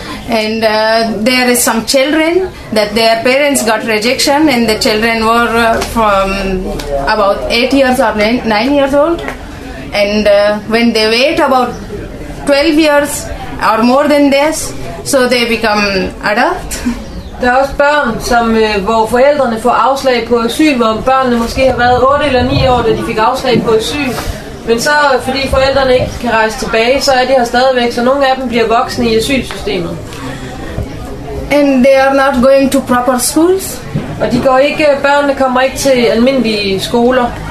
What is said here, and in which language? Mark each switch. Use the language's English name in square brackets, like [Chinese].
[English] And there is some children that their parents got rejection and the children were from about 8 years or 9 years old. And when they wait about 12 years or more than this, so they become adult. [Danish] Der er også børn, som, hvor forældrene får afslag på asyl, hvor børnene måske har været 8 eller 9 år, da de fik afslag på asyl. Men så, fordi forældrene ikke kan rejse tilbage, så er de her stadigvæk, så nogle af dem bliver voksne i asylsystemet. [English] And they are not going to proper schools. [Danish] Og de går ikke, børnene kommer ikke til almindelige skoler.